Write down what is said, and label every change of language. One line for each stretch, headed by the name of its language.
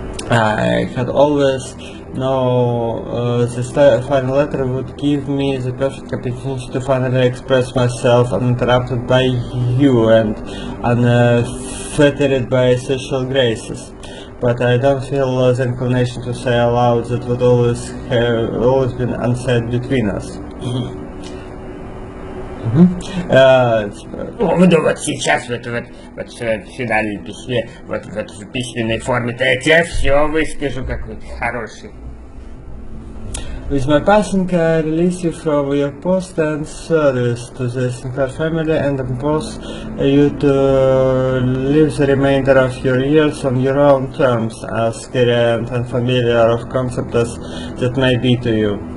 English: I had always known the final letter would give me the perfect opportunity to finally express myself uninterrupted by you and unfettered by social graces. But I don't feel the inclination to say aloud that would always have always been unsaid between us.
Russian: Ну вот сейчас вот в финальном письме, вот в письменной форме, то я тебе все выскажу, какой ты хороший.
English: With my passing, I release you from your post and service to the Sinclair family and impose you to live the remainder of your years on your own terms, as scary and unfamiliar of concept as that may be to you.